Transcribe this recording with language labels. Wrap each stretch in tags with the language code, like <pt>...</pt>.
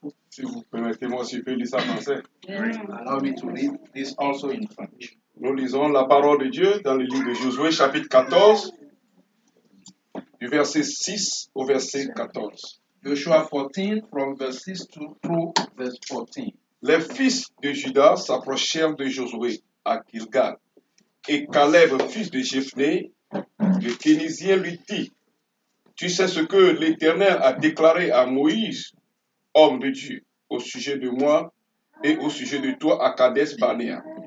<fr>Si vous permettez, moi, si je peux lire ça en français.</fr> <en>Allow me to read this also in French.</en> <fr>Nous lisons la parole de Dieu dans le livre de Josué, chapitre 14, du verset 6 au verset 14.</fr> <en>Joshua 14, from verse 6 through verse 14.</en> <fr>"Les fils de Juda s'approchèrent de Josué à Gilgal, et Caleb, fils de Jephunneh, le Kenizien, lui dit, 'Tu sais ce que l'Éternel a déclaré à Moïse, homme de Dieu, au sujet de moi et au sujet de toi à Kadesh Barnea.</fr>